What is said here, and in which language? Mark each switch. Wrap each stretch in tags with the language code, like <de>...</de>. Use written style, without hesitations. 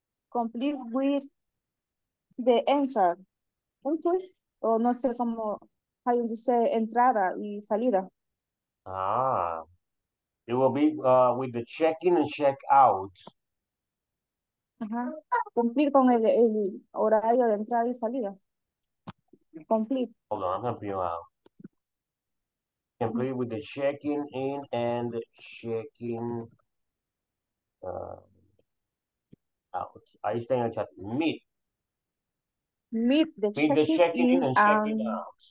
<en>Complete with the entry. Oh,</en> <es>no sé cómo,</es> <en>how you say</en> <es>entrada y salida. Ah.</es> <en>It will be with the check-in and check-out.</en> <es>Cumplir con el horario de entrada y salida.</es> <en>Complete. Hold on, I'm helping you out. Complete with the check-in in and check-in out. I stay in the chat. Meet. Meet the check-in. Meet the check-in in and check-in out.</en>